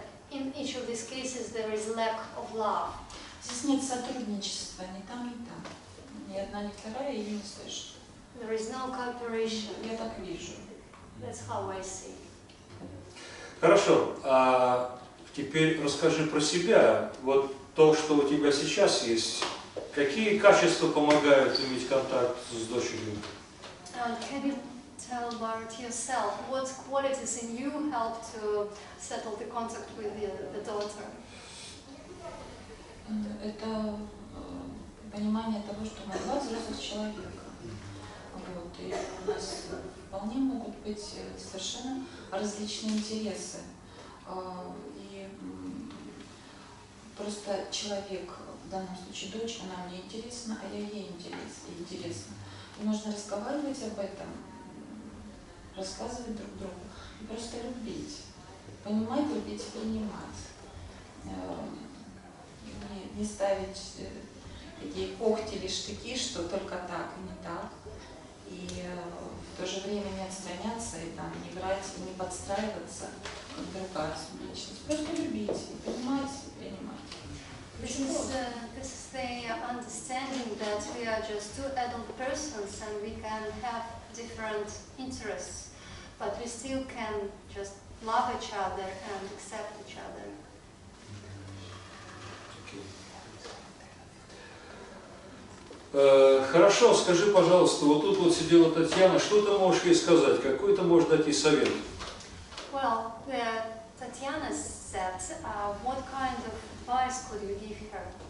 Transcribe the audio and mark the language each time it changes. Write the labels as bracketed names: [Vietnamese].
[English] In each of these cases, there is lack of love. [Russian] Здесь нет сотрудничества, ни там, ни там. Ни одна, ни вторая, ее не слышит. [English] There is no cooperation. [Russian] Я так вижу. [English] That's how I see. [Russian] Хорошо. А теперь расскажи про себя. Вот то, что у тебя сейчас есть. Какие качества помогают иметь контакт с дочерью? [English] Tell about yourself. What qualities in you help to settle the contact with the daughter? [Russian] Это понимание того, что мы два взрослых человека. Вот, и у нас вполне могут быть совершенно различные интересы. И просто человек, в данном случае дочь, она мне интересна, а я ей интересна. И можно разговаривать об этом. Рассказывать друг другу и просто любить, понимать, любить и принимать, не ставить такие когти или штыки, что только так и не так, и в то же время не отстраняться и там не брать, и не подстраиваться, как другая личность, просто любить и понимать, [English] This is the understanding that we are just two adult persons and we can have different interests. But we still can just love each other and accept each other. [Russian] Хорошо, скажи, пожалуйста, вот тут вот сидела Татьяна, что ты можешь ей сказать? Какой ты можешь дать ей совет? [English] Well, Татьяна said, what kind of advice could you give her?